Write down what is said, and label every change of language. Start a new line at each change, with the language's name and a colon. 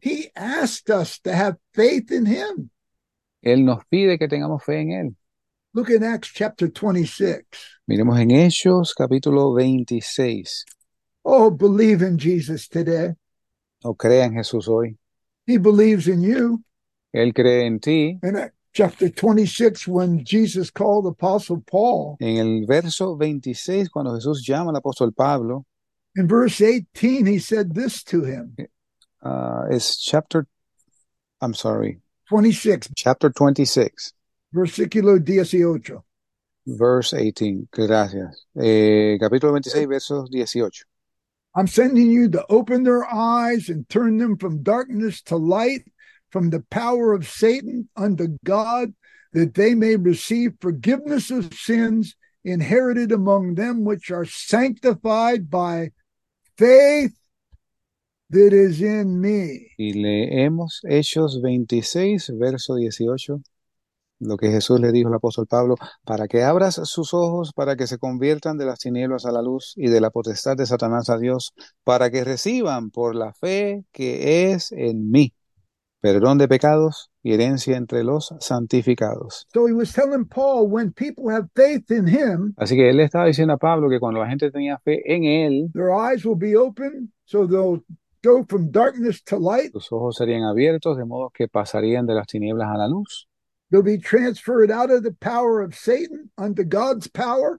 English: He asked us to have faith in him.
Spanish: Él nos pide que tengamos fe en él.
English: Look in Acts chapter 26.
Spanish: Miremos en Hechos capítulo 26.
English: Oh, believe in Jesus today.
Spanish: O crea en Jesús hoy.
English: He believes in you.
Spanish: Él cree en ti.
English: In chapter 26, when Jesus called Apostle Paul.
Spanish: En el verso 26, cuando Jesús llama al apóstol Pablo.
English: In verse 18, he said this to him. It's chapter, I'm sorry. 26. Chapter 26.
Spanish: Versículo 18.
English: Verse 18,
Spanish: gracias. Capítulo 26, versos 18.
English: I'm sending you to open their eyes and turn them from darkness to light, from the power of Satan unto God, that they may receive forgiveness of sins inherited among them which are sanctified by faith that is in me.
Spanish: Y leemos Hechos 26, verso 18. Lo que Jesús le dijo al apóstol Pablo, para que abras sus ojos, para que se conviertan de las tinieblas a la luz y de la potestad de Satanás a Dios, para que reciban por la fe que es en mí, perdón de pecados y herencia entre los santificados.
English: So he was telling Paul, when people have faith in him,
Spanish: así que él le estaba diciendo a Pablo que cuando la gente tenía fe en él,
English: their eyes will be open, so they'll go from darkness to light.
Spanish: Sus ojos serían abiertos, de modo que pasarían de las tinieblas a la luz.
English: They'll be transferred out of the power of Satan unto God's power.